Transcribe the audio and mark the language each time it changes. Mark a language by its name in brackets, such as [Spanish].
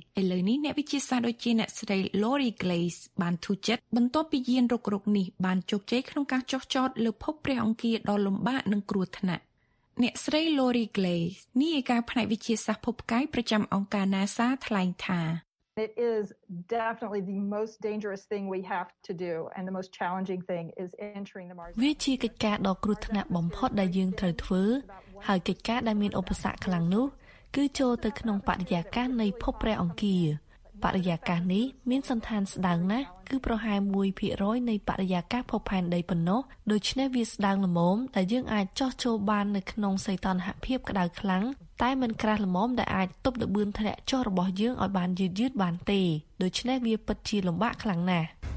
[Khmer] ឥឡូវនេះអ្នកវិទ្យាសាស្ត្រដូចជាអ្នកស្រី Lori Glaze បានទូជិតបន្ទាប់ពីយានរុករកនេះបានជោគជ័យក្នុងការចុះចតលើភពព្រះអង្គារដ៏លំបាកនិងគ្រោះថ្នាក់អ្នកស្រី Lori Glaze នាយិកាផ្នែកវិទ្យាសាស្ត្រភពផ្កាយប្រចាំអង្គការ NASA ថ្លែងថា [English] It is definitely the most dangerous thing we have to do and the most challenging thing is entering the Mars. [Khmer] វាជាកិច្ចការដ៏គ្រោះថ្នាក់បំផុតដែលយើងត្រូវធ្វើហើយកិច្ចការដែលមានឧបសគ្គខ្លាំងនោះគឺចូលទៅក្នុងបរិយាកាសនៃភពព្រះអង្គារបរិយាកាសនេះមានសន្តានស្ដើងណាស់គឺប្រហែល 1% នៃបរិយាកាសភពផែនដីប៉ុណ្ណោះដូច្នេះវាស្ដើងល្មមតែយើងអាចចោះចូលបាននៅក្នុងសីតុណ្ហភាពក្តៅខ្លាំងតែមិនក្រាស់ល្មមដែលអាចទប់ល្បឿនធ្លាក់ចុះរបស់យើងឲ្យបានយឺតៗបានទេដូច្នេះវាពិតជាលំបាកខ្លាំងណាស់